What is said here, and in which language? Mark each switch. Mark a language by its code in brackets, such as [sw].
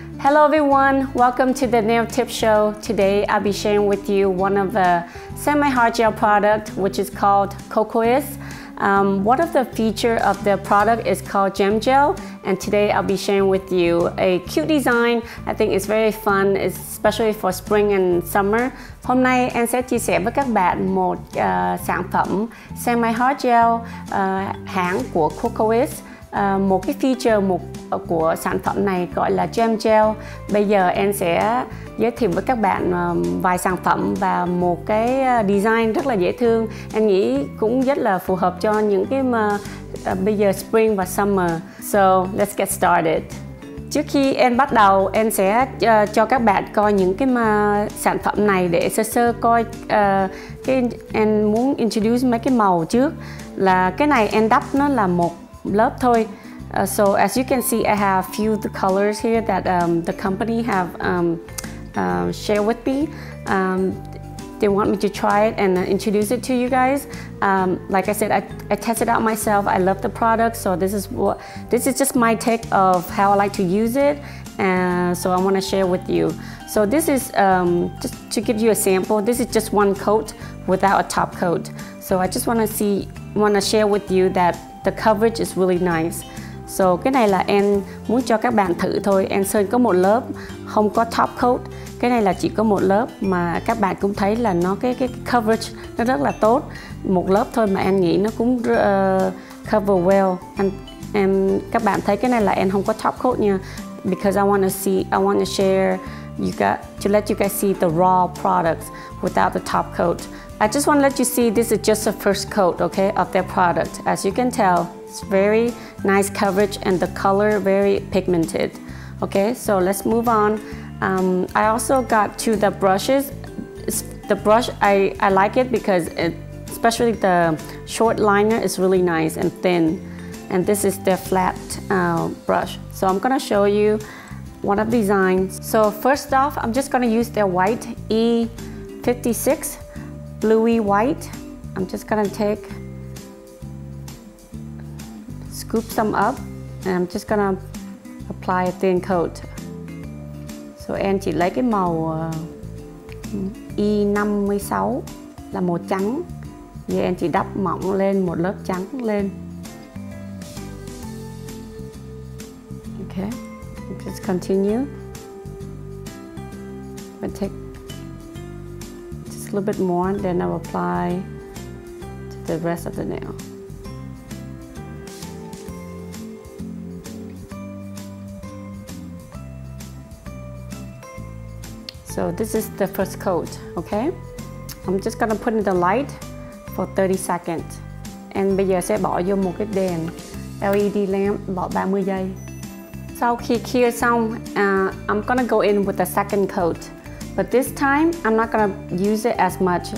[en] Hello everyone, welcome to the Nail Tip Show. Today I'll be sharing with you one of the semi-hard gel product, which is called Kokoist. One of the features of the product is called Gem Gel, and today I'll be sharing with you a cute design. I think it's very fun, especially for spring and summer. [vi] Hôm nay em sẽ chia sẻ với các bạn một sản phẩm semi hard gel hãng của Kokoist. Một cái feature của sản phẩm này gọi là Gem Gel. Bây giờ em sẽ giới thiệu với các bạn vài sản phẩm và một cái design rất là dễ thương. Em nghĩ cũng rất là phù hợp cho những cái mà bây giờ spring và summer. [en] So let's get started. [vi] Trước khi em bắt đầu, em sẽ cho các bạn coi những cái mà sản phẩm này để sơ sơ coi cái em muốn introduce mấy cái màu trước. Là cái này em đắp nó là một lớp thôi. [en] So as you can see, I have a few the colors here that the company have shared with me. They want me to try it and introduce it to you guys. Like I said, I tested out myself. I love the product, so this is just my take of how I like to use it, and so I want to share with you. So this is just to give you a sample. This is just one coat without a top coat. So I just want to share with you that the coverage is really nice. [vi] So cái này là em muốn cho các bạn thử thôi. Em sơn có một lớp, không có top coat. Cái này là chỉ có một lớp mà các bạn cũng thấy là nó cái coverage nó rất là tốt. Một lớp thôi mà em nghĩ nó cũng [en] cover well. [vi] And các bạn thấy cái này là em không có top coat nha. [en] Because I want to let you guys see the raw products without the top coat. I just want to let you see this is just the first coat, okay, of their product. As you can tell, it's very nice coverage and the color very pigmented. Okay, so let's move on. I also got to the brushes. The brush, I like it because it, especially the short liner is really nice and thin. And this is their flat brush. So I'm gonna show you one of the designs. So first off, I'm just gonna use their white E56. Bluey white. I'm just gonna scoop some up, and I'm just gonna apply a thin coat. [vi] So em chỉ lấy cái màu E56 là màu trắng, vậy em chỉ đắp mỏng lên một lớp trắng lên. [en] Okay, just continue. A little bit more, then I'll apply to the rest of the nail. So this is the first coat, okay? I'm just gonna put in the light for 30 seconds. [vi] And bây giờ sẽ bỏ vô một cái đèn LED lamp, bỏ 30 giây. Sau khi khi xong, [en] I'm gonna go in with the second coat. But this time, I'm not gonna use it as much.